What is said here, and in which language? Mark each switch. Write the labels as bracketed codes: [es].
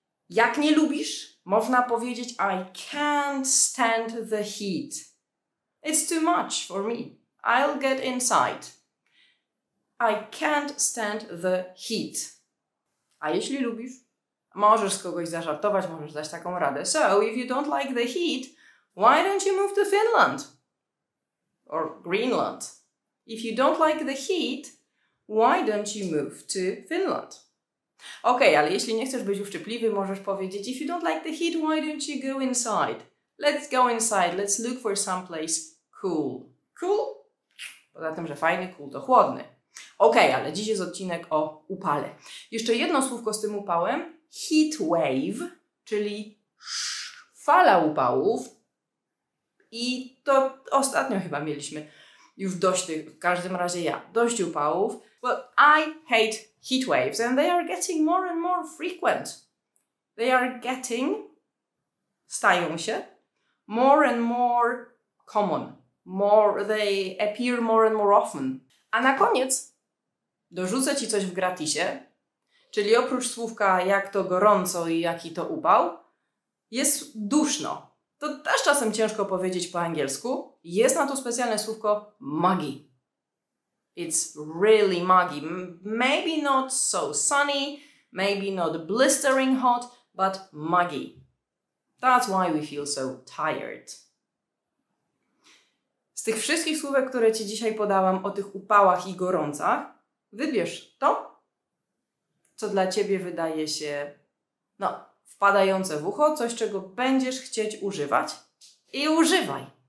[pl] Jak nie lubisz, można powiedzieć [en] I can't stand the heat. It's too much for me. I'll get inside. I can't stand the heat. [pl] A jeśli lubisz, możesz z kogoś zażartować, możesz dać taką radę. [en] So, if you don't like the heat, why don't you move to Finland? Or Greenland? If you don't like the heat, why don't you move to Finland? [pl] Ok, ale jeśli nie chcesz być uszczypliwy, możesz powiedzieć [en] if you don't like the heat, why don't you go inside? Let's go inside, let's look for some place cool. Cool? [pl] Poza tym, że fajny, cool to chłodny. Ok, ale dziś jest odcinek o upale. Jeszcze jedno słówko z tym upałem. [en] Heat wave, [pl] czyli fala upałów. I to ostatnio chyba mieliśmy już dość tych, w każdym razie ja, dość upałów. [en] Well, I hate heat waves and they are getting more and more frequent. They are getting, [pl] stają się, [en] more and more common. More, they appear more and more often. [pl] A na koniec dorzucę ci coś w gratisie. czyli oprócz słówka jak to gorąco i jaki to upał, jest duszno. To też czasem ciężko powiedzieć po angielsku. Jest na to specjalne słówko muggy. [en] It's really muggy. Maybe not so sunny, maybe not blistering hot, but muggy. That's why we feel so tired. [pl] Z tych wszystkich słówek, które Ci dzisiaj podałam o tych upałach i gorącach, wybierz to, co dla Ciebie wydaje się, no, wpadające w ucho, coś, czego będziesz chcieć używać i używaj.